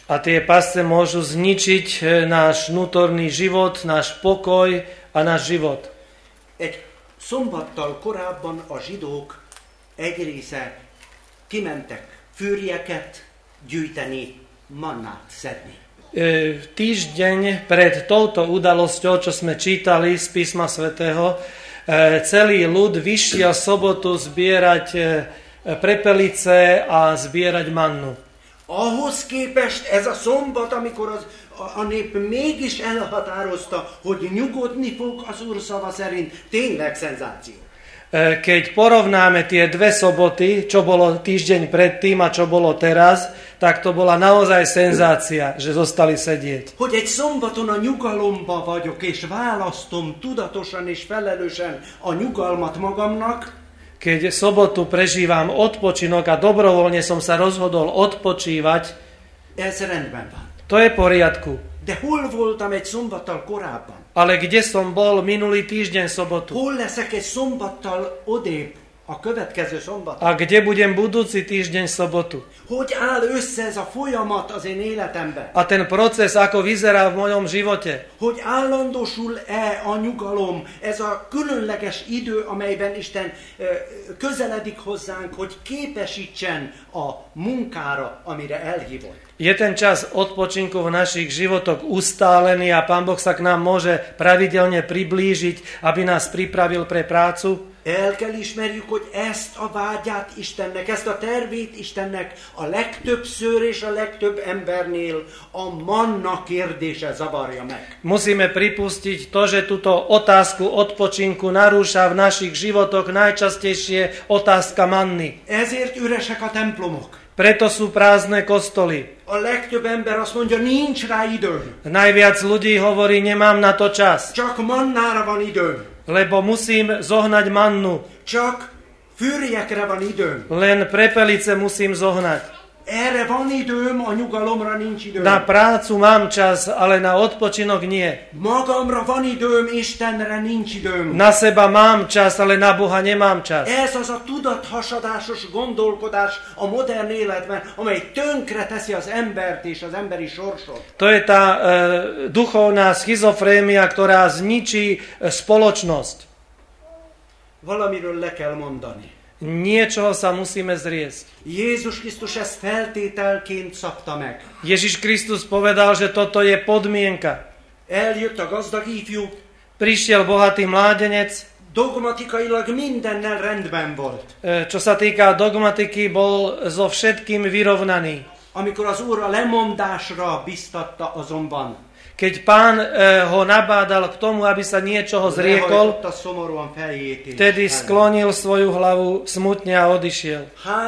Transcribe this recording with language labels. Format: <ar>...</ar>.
<sk>A tie pasce môžu zničiť náš vnútorný život, náš pokoj a náš život.</sk> <hu>Egy szombattal korábban a zsidók egy része kimentek fűrjeket gyűjteni, mannát szedni.</hu> <sk>Týždeň pred touto udalosťou, čo sme čítali z Písma Svätého, celý ľud vyšiel sobotu zbierať prepelice a zbierať mannu.</sk> <hu>Ahhoz képest ez a szombat, amikor a nép mégis elhatározta, hogy nyugodni fog az Úr szava szerint, tényleg szenzáció.</hu> <sk>Keď porovnáme tie dve soboty, čo bolo týždeň predtým a čo bolo teraz, tak to bola naozaj senzácia, že zostali sedieť.</sk> <hu>Hogy egy szombaton a nyugalomba vagyok, és választom tudatosan és felelősen a nyugalmat magamnak.</hu> <sk>Keď sobotu prežívam odpočinok a dobrovoľne som sa rozhodol odpočívať,</sk> <hu>ez rendben van.</hu> <sk>To je poriadku.</sk> <hu>De hol voltam egy szombattal korábban?</hu> <sk>Ale kde som bol minulý týždeň sobotu?</sk> <hu>Hol leszek egy szombattal odébb a következő szombaton?</hu> <sk>A kde budem budúci týždeň sobotu?</sk> <hu>Hogy áll össze ez a folyamat az én életemben?</hu> <sk>A ten proces, ako vyzerá v mojom živote?</sk> <hu>Hogy állandósul-e a nyugalom, ez a különleges idő, amelyben Isten közeledik hozzánk, hogy képesítsen a munkára, amire elhívott.</hu> <sk>Je ten čas odpočinku v našich životoch ustálený a Pán Boh sa k nám môže pravidelne priblížiť, aby nás pripravil pre prácu.</sk> <hu>El kell ismerjük, hogy ezt a vágyát Istennek, ezt a tervét Istennek a legtöbbször és a legtöbb embernél a manna kérdése zavarja meg.</hu> <sk>Musíme pripustiť to, že túto otázku odpočinku narúša v našich životoch najčastejšie otázka manny.</sk> <hu>Ezért üresek a templomok.</hu> <sk>Preto sú prázdne kostoly.</sk> <hu>A legtöbb ember azt mondja, nincs rá időm.</hu> <sk>Najviac ľudí hovorí, nemám na to čas.</sk> <hu>Csak mannára van időm.</hu> <sk>Lebo musím zohnať mannu.</sk> <hu>Csak fürjekre van időm.</hu> <sk>Len prepelice musím zohnať.</sk> <hu>Erre van időm, a nyugalomra nincs időm.</hu> <sk>Na prácu mám čas, ale na odpočinok nie.</sk> <hu>Magamra van időm, Istenre nincs időm.</hu> <sk>Na seba mám čas, ale na Boha nemám čas.</sk> <hu>Ez az a tudathasadásos gondolkodás a modern életben, amely tönkre teszi az embert és az emberi sorsot.</hu> <sk>To je tá duchovná schizofrémia, ktorá zničí spoločnosť.</sk> <hu>Valamiről le kell mondani.</hu> <sk>Niečoho sa musíme zriesť.</sk> <hu>Jézus Krisztus ezt feltételként szabta meg.</hu> <sk>Ježiš Krisztus povedal, že toto je podmienka.</sk> <hu>Eljött a gazdag ifjú.</hu> <sk>Prišiel bohatý mládenec.</sk> <hu>Dogmatikailag mindennel rendben volt.</hu> <sk>Čo sa týka dogmatiky, bol so všetkým vyrovnaný.</sk> <hu>Amikor az úr a lemondásra biztatta azonban.</hu> <sk>Keď pán ho nabádal k tomu, aby sa niečoho zriekol, vtedy sklonil svoju hlavu smutne a odišiel.</sk>